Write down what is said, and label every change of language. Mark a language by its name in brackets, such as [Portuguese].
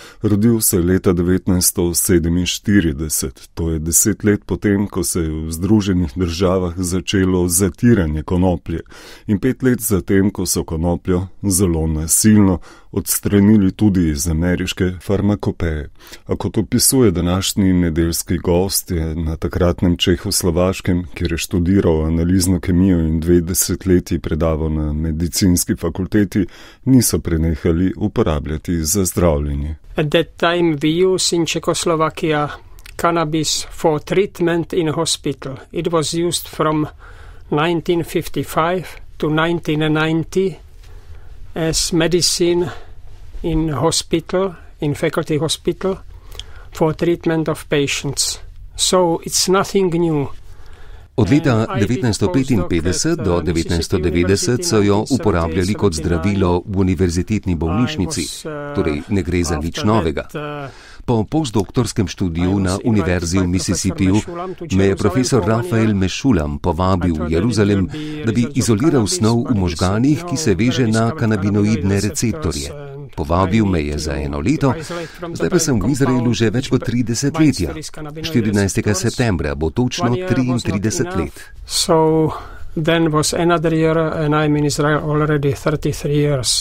[Slovenian] Rodil se je leta 1947, to je 10 let potem, ko se je v Združenih državah začelo zatiranje konoplje in 5 let zatem, ko so konopljo zelo nasilno odstranili tudi iz ameriške farmakopeje. A kot opisuje današnji nedeljski gost, je na takratnem Čehoslovaškem, kjer je študiral analizno kemijo in 20 leti predaval na medicinski fakulteti, niso prenehali uporabljati za zdravljenje. [English] At that time we use in Czechoslovakia cannabis for treatment in hospital. It was used from 1955 to 1990. As medicine in hospital, in faculty hospital, for treatment of patients. So it's nothing new. [Slovenian] Od leta 1955 do 1990 so jo uporabljali kot zdravilo v univerzitetni bolnišnici, torej ne gre za nič novega. Po postdoktorskem študiju na Univerzi v Mississippiju me je profesor Rafael Meshulam povabil v Jeruzalem, da bi izoliral snov v možganih, ki se veže na kanabinoidne receptorje. Povabil me je za 1 leto, zdaj pa sem v Izraelu že več kot 30 let. 14. septembra bo točno 33 let. [English] So then was another year and I'm in Israel already 33 years.